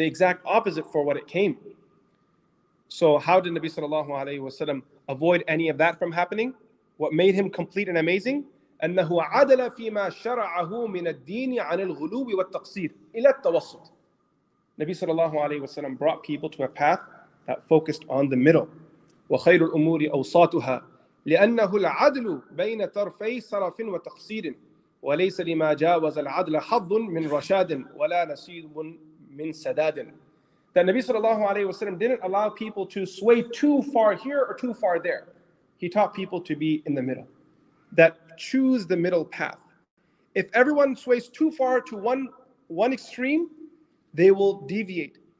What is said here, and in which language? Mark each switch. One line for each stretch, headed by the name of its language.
English: The exact opposite for what it came. So how did Nabi sallallahu alayhi wa sallam avoid any of that from happening? What made him complete and amazing?
Arabic: أَنَّهُ عَدَلَ فِيمَا شَرَعَهُ مِنَ الدِّينِ عَنِ الْغُلُوبِ وَالتَّقْصِيرِ إِلَى التَّوَسُطِ.
English: Nabi sallallahu alayhi wa sallam brought people to a path that focused on the middle.
Arabic: وَخَيْرُ الْأُمُورِ أَوْسَاطُهَا لأنه العدل بين طرفي سرف وتقصير وليس لما جاوز العدل حظ من رشاد ولا نصيب من سداد.
English: That Nabi sallallahu alayhi wa sallam didn't allow people to sway too far here or too far there. He taught people to be in the middle. That choose the middle path. If everyone sways too far to one extreme, they will deviate.